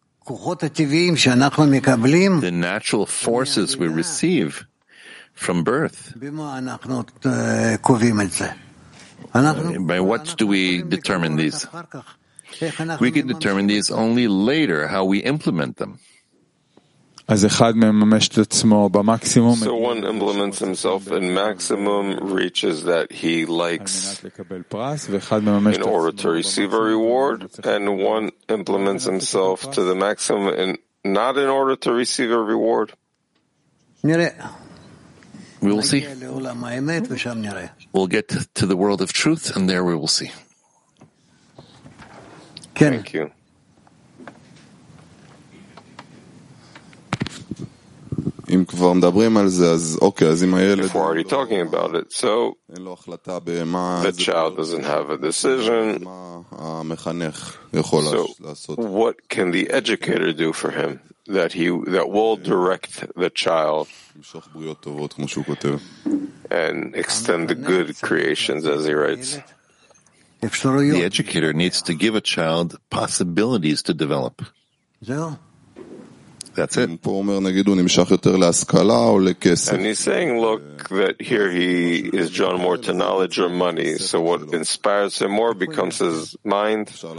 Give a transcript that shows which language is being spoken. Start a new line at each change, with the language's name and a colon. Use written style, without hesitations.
Hebrew: כוחות הטבעיים שאנחנו מקבלים.
English: The natural forces we receive from birth.
Hebrew: במה אנחנו קובעים את זה?
English: By what do we determine these? We can determine these only later, how we implement them. So one implements himself in maximum, reaches that he likes in order to receive a reward, and one implements himself to the maximum and not in order to receive a reward. We will see. We'll get to the world of truth, and there we will see. Thank you.
Hebrew: אם כבר מדברים על זה, אז אוקיי, אז אם הילד...
English: If we're already talking about it, so...
Hebrew: אין לו החלטה במה...
English: The child doesn't have a decision.
Hebrew: מה המחנך יכול לעשות?
English: So, what can the educator do for him that will direct the child?
Hebrew: למשוך בריאות טובות, כמו שהוא כותב.
English: And extend the good creations, as he writes. The educator needs to give a child possibilities to develop.
Hebrew: זהו.
English: That's it. And he's saying, look, that here he is drawn more to knowledge or money, so what inspires him more becomes his mind.